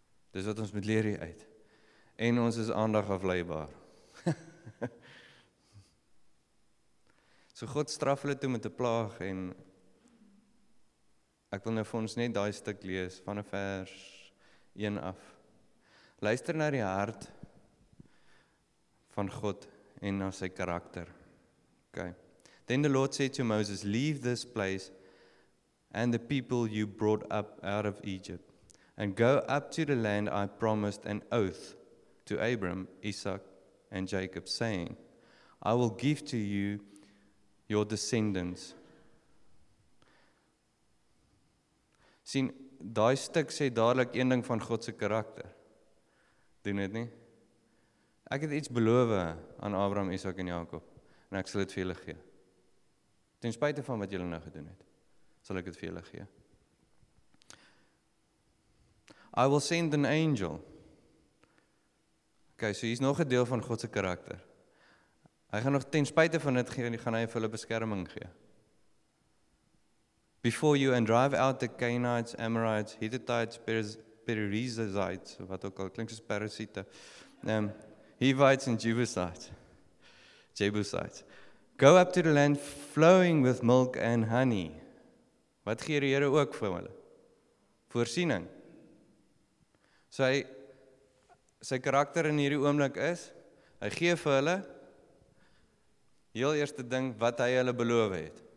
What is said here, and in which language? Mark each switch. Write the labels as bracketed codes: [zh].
[af] Dis wat ons moet leer hier uit. En ons is aandag afleibaar. So God straf hulle toe met 'n plaag en ek wil nou vir ons net daai stuk lees van 'n vers 1 af. Luister na die hart van God en na sy karakter. Okay. [en] Then the Lord said to Moses, leave this place and the people you brought up out of Egypt and go up to the land I promised an oath to Abram, Isaac and Jacob, saying, I will give to you your descendants. [af] Sien, daai stuk sê dadelik een ding van God se karakter. Doen dit nie? Ek het iets beloof aan Abraham, Isaac en Jakob en ek sal dit vir julle gee. Ten spyte van wat julle nou gedoen het, sal ek dit vir julle gee. [en] I will send an angel. [af] Okay, so hier is nog 'n deel van God se karakter. Hy gaan nog ten spyte van dit gee, gaan hy vir hulle beskerming gee. [en] Before you and drive out the Canaanites, Amorites, Hittites, Perizzites, [af] wat ook al klink soos parasiete, [en] Hivites and Jebusites. Go up to the land flowing with milk and honey. [af] Wat gee die Here ook vir hulle? Voorsiening. Sy karakter in hierdie oomblik is, hy gee vir hulle, heel eerste ding, wat hy hulle beloof het.